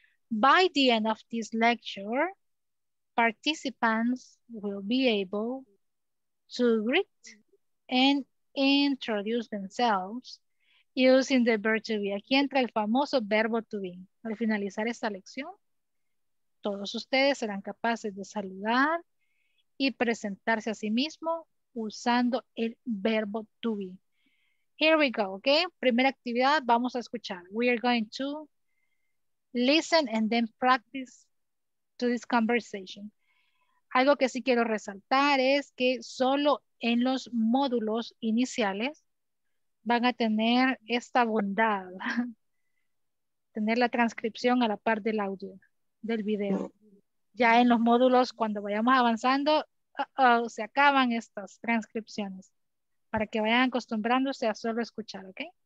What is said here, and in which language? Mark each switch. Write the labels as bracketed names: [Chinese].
[English] By the end of this lecture, participants will be able to greet and introduce themselves using the verb to be. [Spanish] Aquí entra el famoso verbo to be. Al finalizar esta lección, todos ustedes serán capaces de saludar y presentarse a sí mismo usando el verbo to be. [English] Here we go, okay? [Spanish] Primera actividad, vamos a escuchar. [English] We are going to listen and then practice to this conversation. [Spanish] Algo que sí quiero resaltar es que solo en los módulos iniciales van a tener esta bondad, tener la transcripción a la par del audio, del video. Ya en los módulos, cuando vayamos avanzando, se acaban estas transcripciones para que vayan acostumbrándose a solo escuchar, ¿ok?